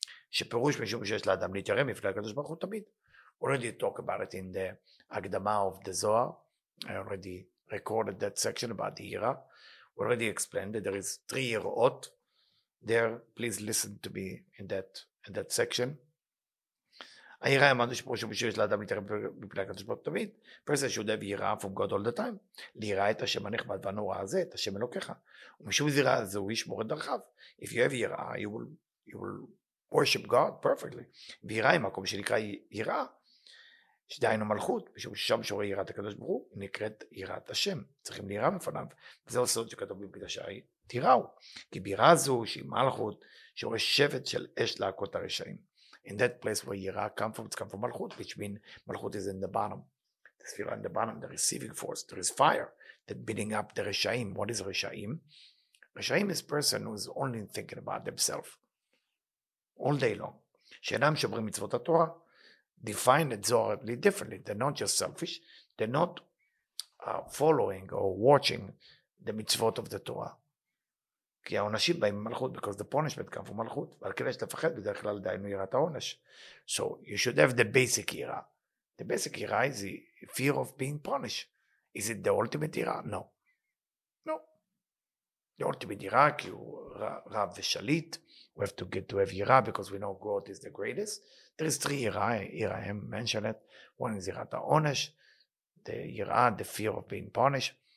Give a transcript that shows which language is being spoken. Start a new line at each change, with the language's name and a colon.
Hebrew: שפירוש משום שיש לאדם להתיירא מפני הקדוש ברוך הוא תמיד.
English: Already talk about it in the הקדמה of the Zohar. I already recorded that section about the יראה. We already explained that there is three יראות there. Please listen to me in that section.
Hebrew: היראה אמרנו שפירוש משום שיש לאדם להתיירא מפני הקדוש ברוך הוא תמיד.
English: First is
Hebrew: שהוא דבר יראה
English: from God all the time.
Hebrew: ליראה את השם הנכבד והנורא הזה, את השם אלוקיך. ומשום זה יראה זה הוא ישמור את דרכיו.
English: If you have יראה, you will worship God perfectly.
Hebrew: ויראה היא מקום שנקרא יראה, שדהיינו מלכות, משום ששם שורה יראת הקדוש ברוך הוא, נקראת יראת השם. צריכים ליראה מפניו. וזה הסוד שכתוב בקדושי תיראו. כי ביראה זו שהיא מלכות, שורה שבט של אש להקות הרשעים.
English: In that place where Yira comes from Malchut, which means Malchut is in the bottom. The sphere in the bottom, the receiving force, there is fire that beating up the Reshaim. What is Reshaim? Reshaim is a person who is only thinking about themselves all day long. Shenam Shabri Mitzvot HaTorah define it zorably differently. They're not just selfish. They're not following or watching the Mitzvot of the Torah.
Hebrew: כי העונשים באים במלכות,
English: because the punishment comes from
Hebrew: מלכות, ועל כדי שתפחד, בדרך כלל דיינו יראת העונש.
English: So you should have the basic יראה. The basic יראה is the fear of being punished. Is it the ultimate יראה? No. No. The ultimate יראה,
Hebrew: כי הוא רב ושליט,
English: we have to get to have יראה, because we know God is the greatest. There is three יראה, יראה, I mentioned it. One is יראת העונש, the יראה, the fear of being punished.